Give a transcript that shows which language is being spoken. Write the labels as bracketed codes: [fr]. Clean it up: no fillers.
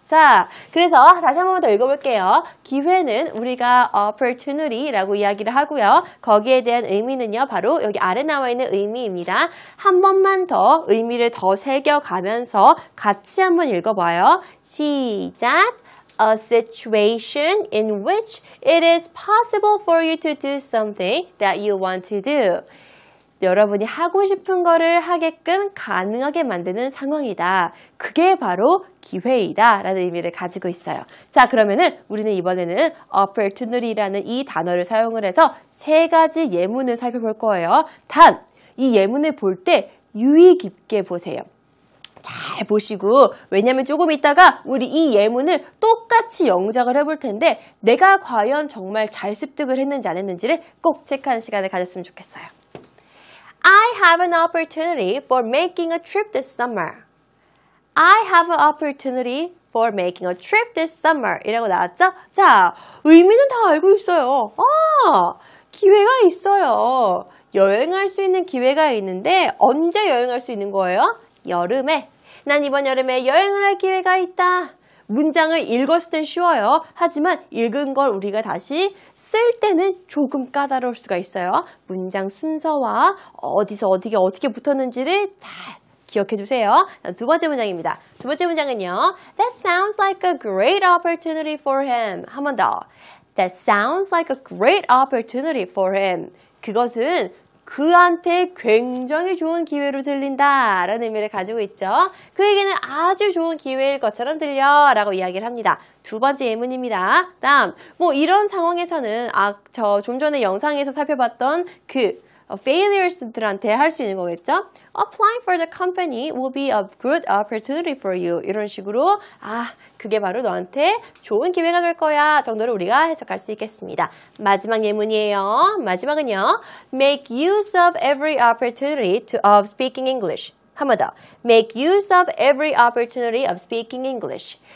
[ko] 자, 그래서 다시 한 번 더 읽어볼게요. 기회는 우리가 opportunity라고 이야기를 하고요. 거기에 대한 의미는요, 바로 여기 아래 나와 있는 의미입니다. 한 번만 더 의미를 더 새겨가면서 같이 한번 읽어봐요. 시작! [en] A situation in which it is possible for you to do something that you want to do. [ko] 여러분이 하고 싶은 거를 하게끔 가능하게 만드는 상황이다. 그게 바로 기회이다 라는 의미를 가지고 있어요. 자, 그러면은 우리는 이번에는 opportunity라는 이 단어를 사용을 해서 세 가지 예문을 살펴볼 거예요. 단, 이 예문을 볼 때 유의 깊게 보세요. 잘 보시고, 왜냐면 조금 있다가 우리 이 예문을 똑같이 영작을 해볼 텐데 내가 과연 정말 잘 습득을 했는지 안 했는지를 꼭 체크하는 시간을 가졌으면 좋겠어요. [en] I have an opportunity for making a trip this summer. I have an opportunity for making a trip this summer. [ko] 이라고 나왔죠? 자, 의미는 다 알고 있어요. 아, 기회가 있어요. 여행할 수 있는 기회가 있는데 언제 여행할 수 있는 거예요? 여름에. 난 이번 여름에 여행을 할 기회가 있다. 문장을 읽었을 땐 쉬워요. 하지만 읽은 걸 우리가 다시 쓸 때는 조금 까다로울 수가 있어요. 문장 순서와 어디서 어떻게 어떻게 붙었는지를 잘 기억해 주세요. 두 번째 문장입니다. 두 번째 문장은요. [en] That sounds like a great opportunity for him. [ko] 한 번 더. [en] That sounds like a great opportunity for him. [ko] 그것은 그한테 굉장히 좋은 기회로 들린다 라는 의미를 가지고 있죠. 그에게는 아주 좋은 기회일 것처럼 들려 라고 이야기를 합니다. 두 번째 예문입니다. 다음, 뭐 이런 상황에서는 아, 저 좀 전에 영상에서 살펴봤던 그 failures들한테 할 수 있는 거겠죠? [en] Applying for the company will be a good opportunity for you. [ko] 이런 식으로 아, 그게 바로 너한테 좋은 기회가 될 거야 정도로 우리가 해석할 수 있겠습니다. 마지막 예문이에요. 마지막은요. [en] Make use of every opportunity of speaking English. [ko] 한 번 더. [en] Make use of every opportunity of speaking English.